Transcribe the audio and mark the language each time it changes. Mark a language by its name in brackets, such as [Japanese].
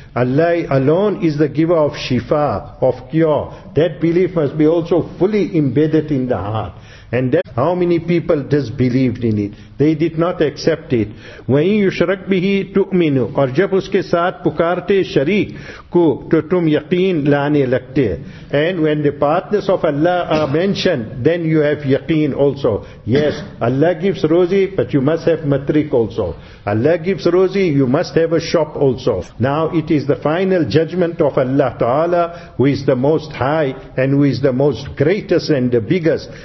[English] Allah alone is the giver of shifa, of cure. That belief must be also fully embedded in the heart. And that, how many people disbelieved in it? They did not accept it. [Arabic] وَإِن يُشْرَكْ بِهِ تُؤْمِنُ, [Urdu] اور جب اس کے ساتھ پکارتے شریک کو تو تم یقین لانے لگتے. [English] And when the partners of Allah are mentioned, then you have yaqeen also. Yes, Allah gives rozi, but you must have matrik also. Allah gives rozi, you must have a shop also. Now it is the final judgment of Allah Ta'ala, who is the most high and who is the most greatest and the biggest.